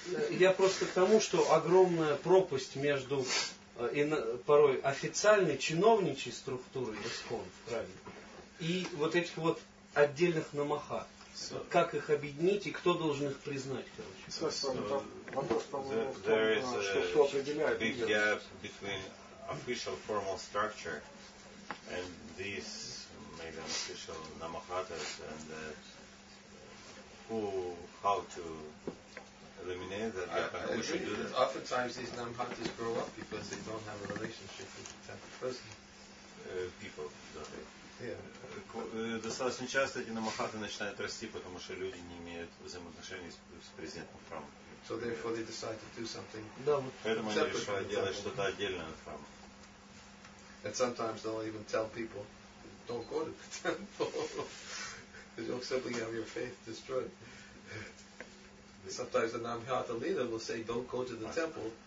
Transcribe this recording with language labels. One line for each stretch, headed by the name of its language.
Russian: Я просто к тому, что огромная пропасть между порой официальной чиновничьей структурой ИСКОН в храме и вот этих вот отдельных намаха. Как их объединить и кто должен их признать, короче? Вопрос, по-моему, что определяет
English: between official formal structure and these maybe unofficial namahatas and how to eliminate that gap. I agree. We should do that. Oftentimes these namahatas grow up because they don't have a relationship with the temple person. People, don't they? Yeah.
Russian: Достаточно часто эти намахаты начинают расти, потому что люди не имеют взаимоотношений с президентом храма.
English: So therefore they decide to do something.
Russian: Поэтому они решают делать что-то отдельное от храма.
English: And sometimes they'll even tell people, don't go to the temple. You'll simply have your faith destroyed. Sometimes the Namahata leader will say, don't go to the temple.